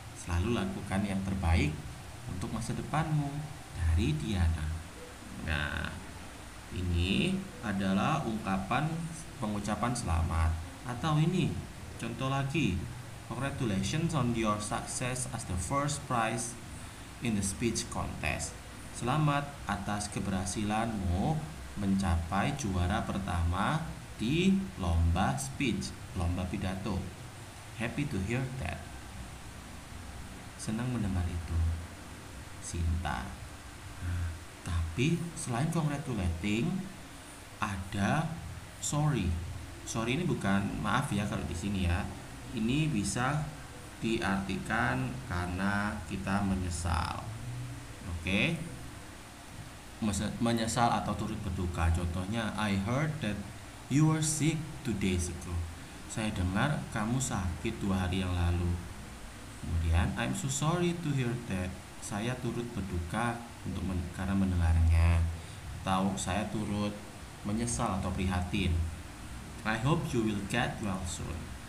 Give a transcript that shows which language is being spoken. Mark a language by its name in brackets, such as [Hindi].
[Indonesian] Selalu lakukan yang terbaik untuk masa depanmu. Dari Diana. Nah, ini adalah ungkapan pengucapan selamat. Atau ini, contoh lagi. [English] Congratulations on your success as the first prize in the speech contest. [Indonesian] Selamat atas keberhasilanmu mencapai juara pertama di lomba speech, lomba pidato. [English] Happy to hear that. [Indonesian] Senang mendengar itu, Sinta. Tapi selain congratulating, ada sorry. Sorry ini bukan maaf ya kalau di sini ya. Ini bisa diartikan karena kita menyesal. Oke. Menyesal atau turut berduka. Contohnya, [English] I heard that you were sick 2 days ago. [Indonesian] Saya dengar kamu sakit 2 hari yang lalu. Kemudian, [English] I'm so sorry to hear that. [Indonesian] Saya turut berduka untuk karena mendengarnya. Atau saya turut menyesal atau prihatin. [English] I hope you will get well soon.